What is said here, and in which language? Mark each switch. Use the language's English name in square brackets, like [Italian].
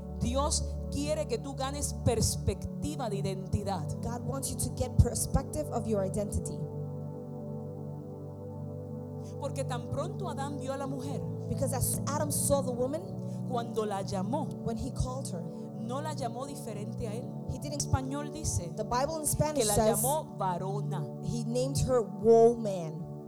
[Spanish] Dios quiere que tú ganes perspectiva de identidad. [English] God wants you to get perspective of your identity. [Spanish] Porque tan pronto Adán vio a la mujer, [English] because as Adam saw the woman, [Spanish] cuando la llamó, [English] when he called her, [Spanish] no la llamó diferente a él. [English] He didn't, [Spanish] en español dice, [English] the Bible in Spanish [Spanish] que la [English] says, [Spanish] llamó varona. [English] He named her woman.